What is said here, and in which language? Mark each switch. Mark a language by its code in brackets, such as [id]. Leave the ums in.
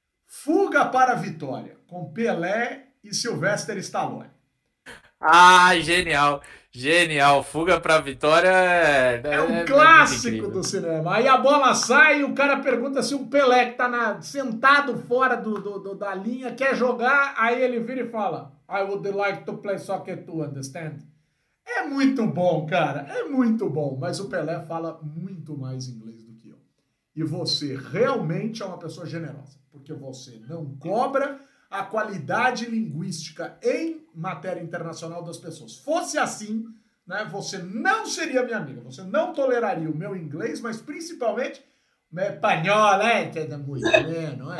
[pt] Fuga para a Vitória, com Pelé e Sylvester Stallone. Ah, genial, genial. Fuga para a vitória é, É um é clássico incrível. do cinema. Aí a bola sai e o cara pergunta se o Pelé, que tá na- sentado fora do, do- do- da linha, quer jogar. Aí ele vira e fala: [en] I would like to play soccer too, understand? [pt] É muito bom, cara. É muito bom. Mas o Pelé fala muito mais inglês do que eu. E você realmente é uma pessoa generosa, porque você não cobra a qualidade linguística em matéria internacional das pessoas. Fosse assim, né, você não seria minha amiga, você não toleraria o meu inglês, mas principalmente o espanhol, é, que é da mulher, não é?